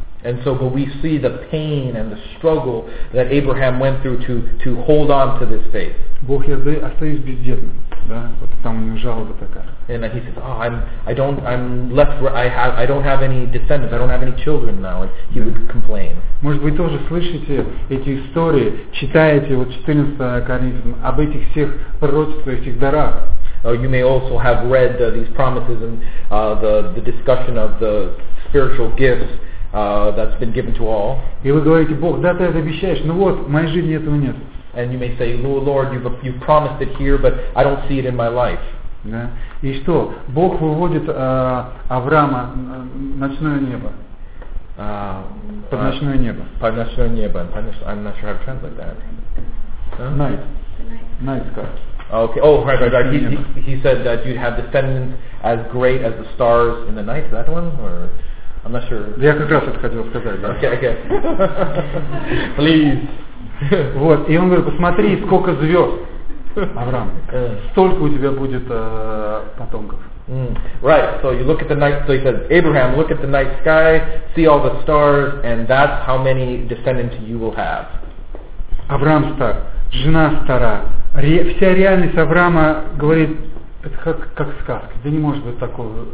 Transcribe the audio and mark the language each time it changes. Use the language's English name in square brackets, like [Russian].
[English] And so, but we see the pain and the struggle that Abraham went through to hold on to this faith. [Russian] Бог, я остаюсь бездетным, да? Вот там у него жалоба такая. [English] And he says, "Oh, I don't have any descendants. I don't have any children now." And he would complain. [Russian] Может быть, тоже слышите эти истории, читаете вот 14 Коринфянам об этих всех пророчествах, этих дарах. [English] You may also have read these promises and the discussion of the spiritual gifts. That's been given to all. [Russian] И вы говорите: Бог, да, ты это обещаешь, но вот, в моей жизни этого нет. [English] And you may say, Lord, you've promised it here, but I don't see it in my life. [Russian] Да. И что? Бог выводит Авраама в ночное небо. Под ночное небо. Под ночное небо. [English] I'm not sure how to translate that. Night sky. Okay. Oh, right. He said that you'd have descendants as great as the stars in the night. Is that one? Or... I'm not sure. [Russian] Я как раз это хотел сказать, да. [English] Okay. Please. [Russian] Вот, и он говорит: посмотри, сколько звезд, Авраам, столько у тебя будет потомков. Mm. [English] Right, so you look at the night, so he says, Abraham, look at the night sky, see all the stars, and that's how many descendants you will have. [Russian] Авраам стар, жена стара, вся реальность Авраама говорит, это как сказка, да не может быть такого...